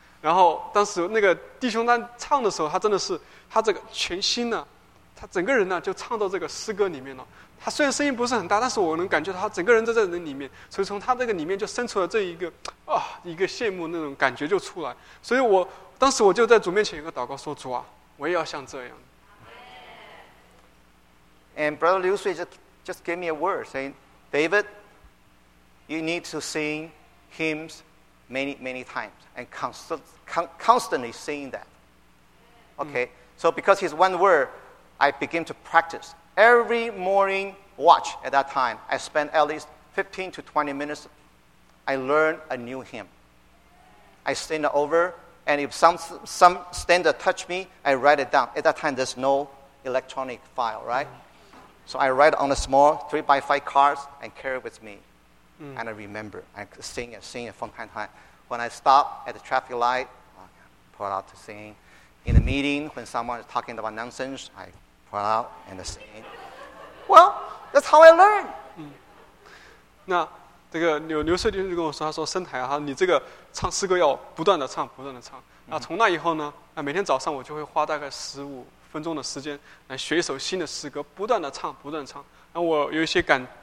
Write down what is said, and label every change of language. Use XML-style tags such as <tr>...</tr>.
<zh>然后当时那个弟兄他唱的时候，他真的是他这个全心呢，他整个人呢就唱到这个诗歌里面了。他虽然声音不是很大，但是我能感觉他整个人在这人里面，所以从他这个里面就生出了这一个羡慕那种感觉就出来。所以我当时我就在主面前一个祷告说，主啊，我也要像这样。</zh> <en>And Brother Liu Sui just gave me a word saying, David, you need to sing hymns many, many times and constantly singing that. Okay, so because his one word, I begin to practice. Every morning watch at that time, I spend at least 15 to 20 minutes. I learn a new hymn. I sing it over, and if some standard touch me, I write it down. At that time, there's no electronic file, right? So I write on a small 3x5 cards and carry it with me. And I remember. I sing it from time to time. When I stop at the traffic light, I pull out to sing. In a meeting, when someone is talking about nonsense, I... And well, that's how I learn.</en> <zh>那这个刘穗弟兄就跟我说，他说圣台啊，你这个唱诗歌要不断的唱，不断的唱。那从那以后呢，每天早上我就会花大概15分钟的时间来学一首新的诗歌，不断的唱，不断唱。那我有一些感</zh>